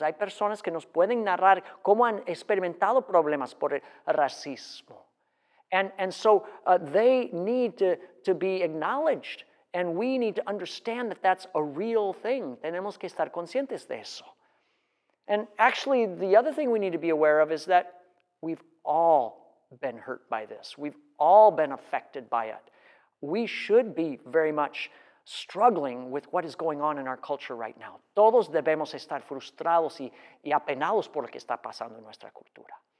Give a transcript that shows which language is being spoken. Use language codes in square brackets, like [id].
[es] Hay personas que nos pueden narrar cómo han experimentado problemas por el racismo. [en] And so they need to be acknowledged. And we need to understand that that's a real thing. [es] Tenemos que estar conscientes de eso. [en] And actually, the other thing we need to be aware of is that we've all been hurt by this. We've all been affected by it. We should be very much struggling with what is going on in our culture right now. [es] Todos debemos estar frustrados y apenados por lo que está pasando en nuestra cultura.